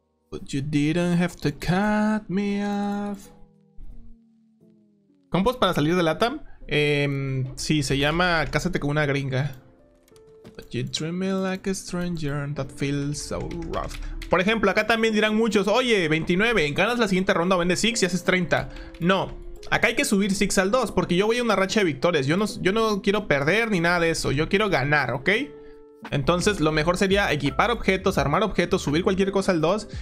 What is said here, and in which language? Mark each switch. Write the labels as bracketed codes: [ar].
[en] But you didn't have to cut me off. [es] Compos para salir de LATAM. Sí, se llama Cásate con una gringa. [en] But you treat me like a stranger and that feels so rough. [es] Por ejemplo, acá también dirán muchos: oye, 29, ganas la siguiente ronda o vendes 6 y haces 30. No, acá hay que subir 6 al 2 porque yo voy a una racha de victorias. Yo no quiero perder ni nada de eso. Yo quiero ganar, ¿ok? Entonces lo mejor sería equipar objetos, armar objetos, subir cualquier cosa al 2.